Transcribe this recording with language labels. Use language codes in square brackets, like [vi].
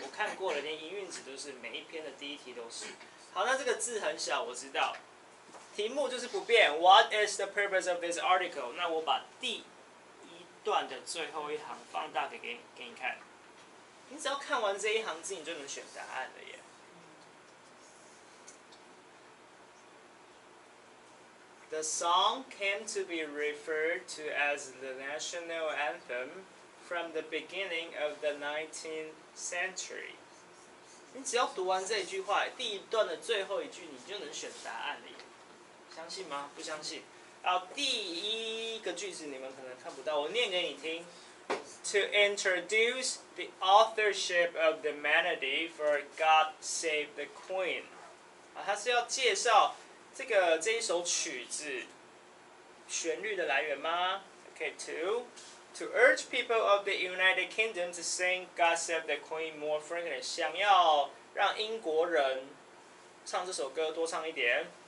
[zh] 我看过了，连营运纸都是每一篇的第一题都是。好，那这个字很小，我知道。题目就是不变 [en] ，What is the purpose of this article? [zh] 那我把第段的最后一行放大的给你看，你只要看完这一行字，你就能选答案了耶。 [en] The song came to be referred to as the national anthem from the beginning of the 19th century。 [zh] 你只要读完这一句话，第一段的最后一句，你就能选答案了耶。相信吗？不相信。好，第一个句子你们可能看不到，我念给你听。 [en] To introduce the authorship of the melody for God Save the Queen， [zh] 啊，他是要介绍这一首曲子旋律的来源吗 [en] ？Okay, to urge people of the United Kingdom to sing God Save the Queen more frequently， [zh] 想要让英国人唱这首歌多唱一点。